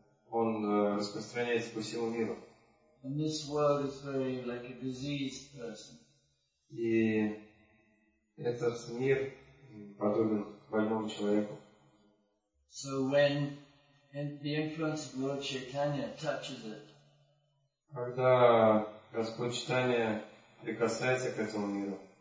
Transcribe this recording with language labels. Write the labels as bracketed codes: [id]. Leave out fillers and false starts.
[ru] Он распространяется по всему миру. [en] And this world is very like a diseased person. [ru] И этот мир подобен больному человеку. [en] So when the influence of Lord Chaitanya touches it. [ru] Когда Господь Чайтанья прикасается к этому миру.